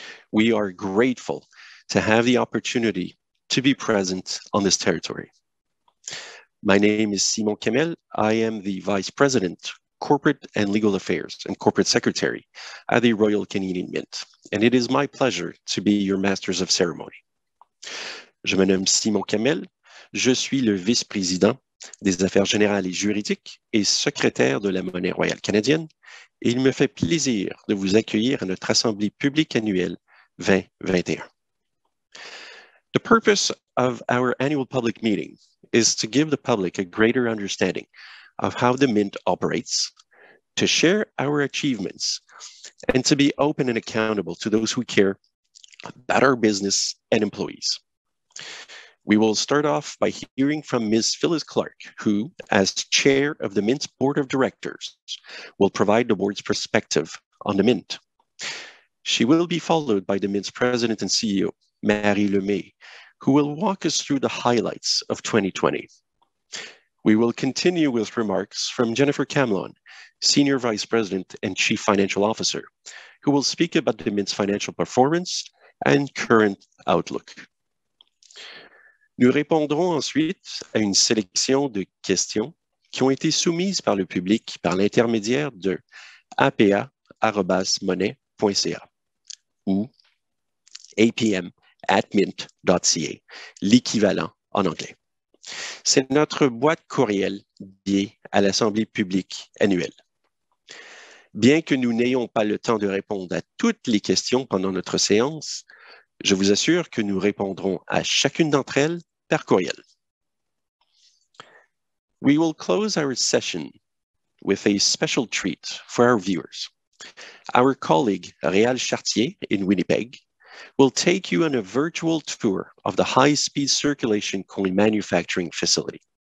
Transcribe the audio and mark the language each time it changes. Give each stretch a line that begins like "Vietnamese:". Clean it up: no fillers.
English: We are grateful to have the opportunity to be present on this territory. My name is Simon Kemel. I am the Vice President, Corporate and Legal Affairs and Corporate Secretary at the Royal Canadian Mint. And it is my pleasure to be your Masters of Ceremony.
French: Je me nomme Simon Kemel. Je suis le Vice-Président des Affaires Générales et Juridiques et Secrétaire de la Monnaie Royale Canadienne. Et il me fait plaisir de vous accueillir à notre Assemblée publique annuelle 2021.
English: The purpose of our annual public meeting is to give the public a greater understanding of how the Mint operates, to share our achievements, and to be open and accountable to those who care about our business and employees. We will start off by hearing from Ms. Phyllis Clark, who, as chair of the Mint's board of directors, will provide the board's perspective on the Mint. She will be followed by the Mint's president and CEO, Marie Lemay, who will walk us through the highlights of 2020. We will continue with remarks from Jennifer Camelon, Senior Vice President and Chief Financial Officer, who will speak about the Mint's financial performance and current outlook.
French: Nous répondrons ensuite à une sélection de questions qui ont été soumises par le public par l'intermédiaire de apa@monnaie.ca ou apm@mint.ca, l'équivalent en anglais. C'est notre boîte courriel dédiée à l'Assemblée publique annuelle. Bien que nous n'ayons pas le temps de répondre à toutes les questions pendant notre séance, je vous assure que nous répondrons à chacune d'entre elles par courriel.
English: We will close our session with a special treat for our viewers. Our colleague Réal Chartier in Winnipeg will take you on a virtual tour of the high-speed circulation coin manufacturing facility.